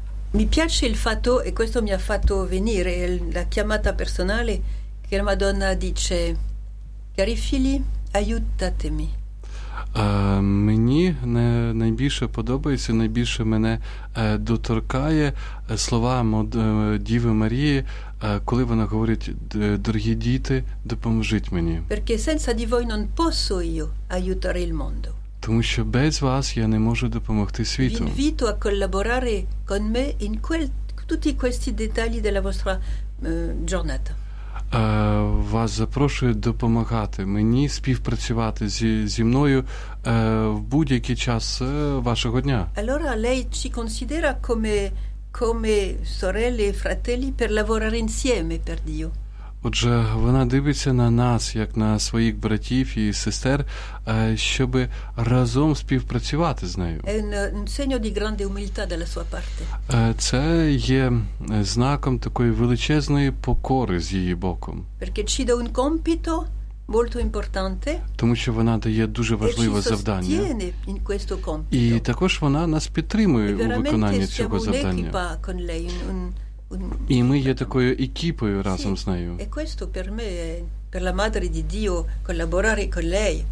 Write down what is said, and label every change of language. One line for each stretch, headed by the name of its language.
Italian: Mi piace il fatto, e questo mi ha fatto venire la chiamata personale, che la Madonna dice, cari figli, aiutatemi.
Ukrainian: Мені найбільше подобається, найбільше мене доторкає слова Діви Марії, коли вона говорить, дорогі діти, допоможіть мені.
Italian: Perché senza di voi non posso io aiutare il mondo.
Ukrainian: Тому що без вас я не можу допомогти світу.
Italian: Vi invito a collaborare con me in tutti questi dettagli della vostra giornata.
Ukrainian: Вас запрошую допомагати мені співпрацювати зі мною в будь-який час вашого дня.
Italian: Allora lei ci considera come sorelle e fratelli per lavorare insieme per Dio.
Ukrainian: Отже, вона дивиться на нас, як на своїх братів і сестер, щоб разом співпрацювати з нею.
Italian: È un segno di grande umiltà dalla sua parte.
Ukrainian: Це є знаком такої величезної покори з її боку.
Italian: Perché ci dà un compito molto importante.
Ukrainian: Тому що вона дає дуже важливе завдання.
Italian: E ci sostiene in questo compito.
Ukrainian: І також вона нас підтримує у виконанні цього завдання.
Italian: E veramente siamo un'equipa con lei,
Ukrainian: і ми є такою екіпою разом з нею.
Italian: E questo per me è per la madre di Dio collaborare con lei.